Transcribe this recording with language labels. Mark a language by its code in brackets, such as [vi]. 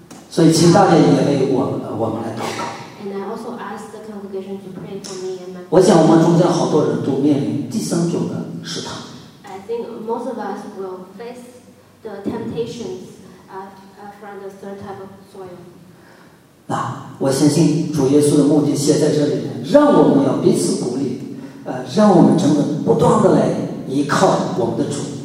[zh] 所以请大家也为我们来祷告。 [en] And I also ask the congregation to pray for me and my. [zh] 我想我们中间好多人都面临第三种的试探。 [en] I think most of us will face the temptations. From the third type of soil. [zh] 我相信主耶稣的目的写在这里，让我们要彼此鼓励，让我们真的不断的来依靠我们的主。